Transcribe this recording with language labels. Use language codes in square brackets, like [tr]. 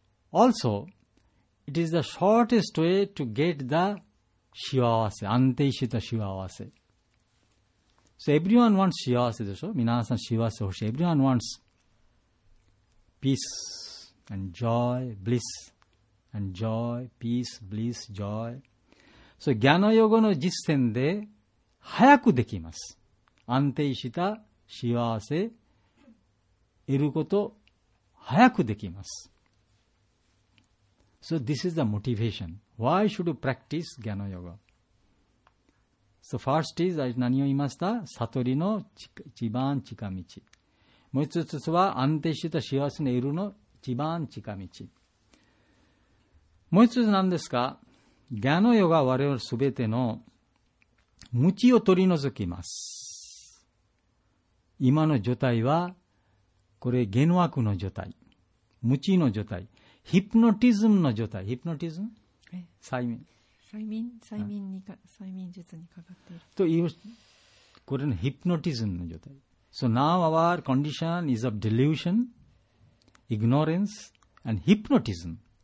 [en] Also, it is the shortest way to get the [ja] 幸せ、安定した幸せ。 [en] So everyone wants [ja] 幸せでしょ？皆さん幸せ欲しい。 [en] Everyone wants peace and joy, bliss and joy, peace, bliss, joy. [ja] So, ギャナヨガの実践で早くできます。安定した幸せ得ること早くできます。 [en] So, this is the motivation. Why should you practice ギャナヨガ? So, first is, [ja] 何を言いました？悟りの一番近道。もう一つは安定した幸せ得るの一番近道。もう一つ何ですか？ギャナヨガは我々すべての無知を取り除きます。今の状態は、これ、幻惑の状態。無知の状態。ヒプノティズムの状態。ヒプノティズム？催眠。催眠、催眠に、催眠術にかかっている。という、これのヒプノティズムの状態。 [en] So now our condition is of delusion, ignorance and hypnotism.